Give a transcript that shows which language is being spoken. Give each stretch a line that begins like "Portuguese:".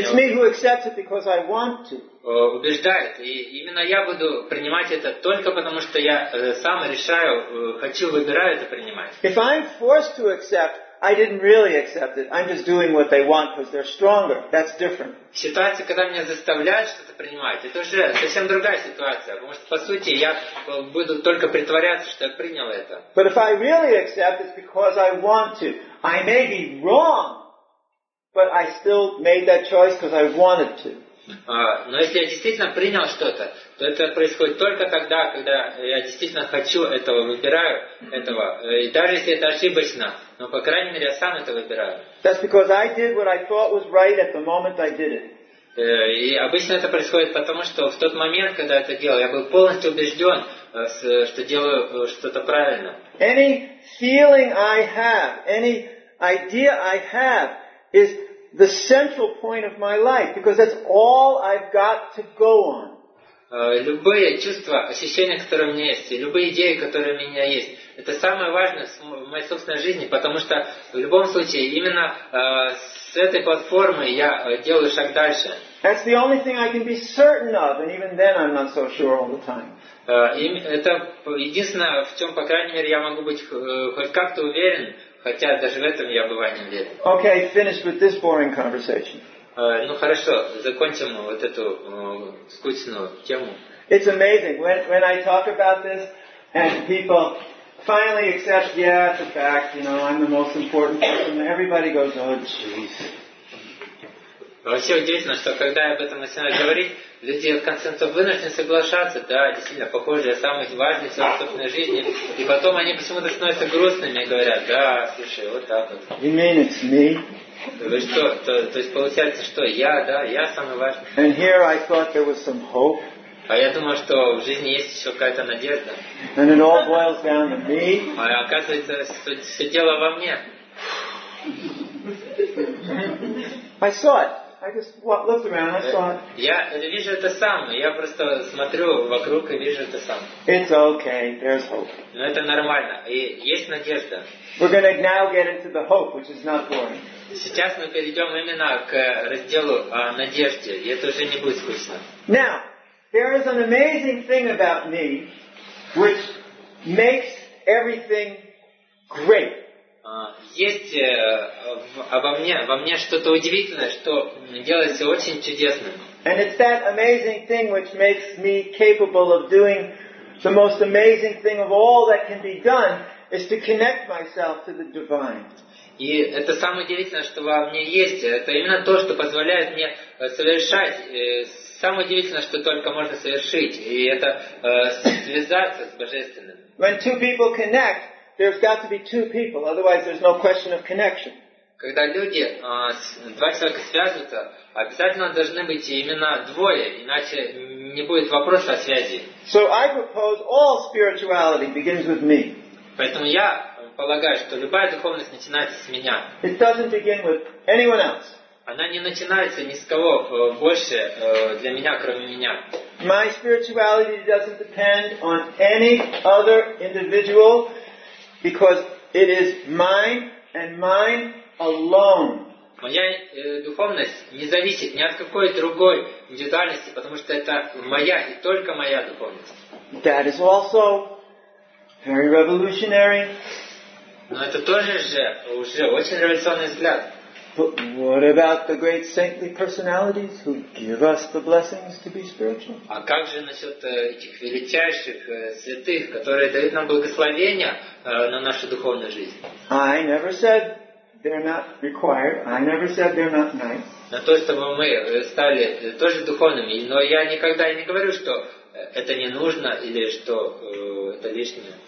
English: It's me who accepts it because I want to.
Russian: Убеждает. И именно я буду принимать это только потому, что я сам решаю, хочу, выбираю это принимать.
English: If I'm forced to accept, I didn't really accept it. I'm just doing what they want because they're stronger. That's different.
Russian: Ситуация, когда меня заставляют что-то принимать, это уже совсем другая ситуация. Потому что, по сути, я буду только притворяться, что я принял это.
English: But if I really accept, it's because I want to. I may be wrong, but I still made that choice because I wanted to.
Russian: Но если я действительно принял что-то, то это происходит только тогда, когда я действительно хочу этого, выбираю этого. И даже если это ошибочно, но по крайней мере я сам это выбираю.
English: That's because I did what I thought was right at the moment I did it.
Russian: И обычно это происходит потому, что в тот момент, когда я это делал, я был полностью убежден, что делаю что-то правильно.
English: Any feeling I have, any idea I have is the central point of my life, because that's all I've got to go on.
Russian: Любые чувства, ощущения, которые у меня есть, любые идеи, которые у меня есть, это самое важное в моей собственной жизни, потому что в любом случае именно с этой платформы я делаю шаг дальше.
English: That's the only thing I can be certain of, and even then I'm not so sure all the time.
Russian: Это единственное, в чем, по крайней мере, я могу быть хоть как-то уверен. Хотя даже в этом я бываю не уверен.
English: Okay, finish with this boring conversation.
Russian: Ну хорошо, закончим вот эту скучную тему.
English: It's amazing when I talk about this and people finally accept, yeah, it's a fact, you know, I'm the most important person. Everybody goes, oh, jeez.
Russian: Вообще удивительно, что когда я об этом начинаю говорить, люди в конце концов вынуждены соглашаться, да, действительно, похоже, я самый важный в своей собственной жизни. И потом они почему-то становятся грустными и говорят, да, слушай, вот так вот.
English: You mean it's me?
Russian: Вы что, то есть получается, что я, да, я самый важный.
English: And here I thought there was some hope.
Russian: А я думал, что в жизни есть еще какая-то надежда.
English: And it all boils down to me.
Russian: А оказывается, все дело во мне.
English: I saw it. I just looked around and I saw it.
Russian: Я вижу это сам. Я просто смотрю вокруг и вижу это сам.
English: It's okay. There's hope.
Russian: Но это нормально. И есть надежда.
English: We're going to now get into the hope, which is not boring.
Russian: Сейчас мы перейдем именно к разделу о надежде. И это уже не будет скучно.
English: Now, there is an amazing thing about me, which makes everything great.
Russian: Есть обо мне что-то удивительное, что делает все очень чудесным.
English: And it's that amazing thing which makes me capable of doing the most amazing thing of all that can be done is to connect myself to the divine.
Russian: И это самое удивительное, что во мне есть. Это именно то, что позволяет мне совершать самое удивительное, что только можно совершить. И это связаться с Божественным.
English: When two people connect, there's got to be two people, otherwise there's no question of connection.
Russian: Когда люди, два человека связываются, обязательно должны быть именно двое, иначе не будет вопроса о связи.
English: So I propose all spirituality begins with me.
Russian: Поэтому я полагаю, что любая духовность начинается с меня.
English: It doesn't begin with anyone else.
Russian: она не начинается ни с кого больше для меня, кроме меня.
English: My spirituality doesn't depend on any other individual because it is mine and mine alone.
Russian: Моя духовность не зависит ни от какой другой индивидуальности, потому что это моя и только моя духовность.
English: That is also very revolutionary.
Russian: Но это тоже же уже очень революционный взгляд.
English: But what about the great saintly personalities who give us the blessings to be spiritual?
Russian: А как же насчет этих величайших святых, которые дают нам благословения на нашу духовную жизнь?
English: I never said they're not required. I never said they're not nice.
Russian: На то, чтобы мы стали тоже духовными, но я никогда не говорю, что это не нужно или что это лишнее.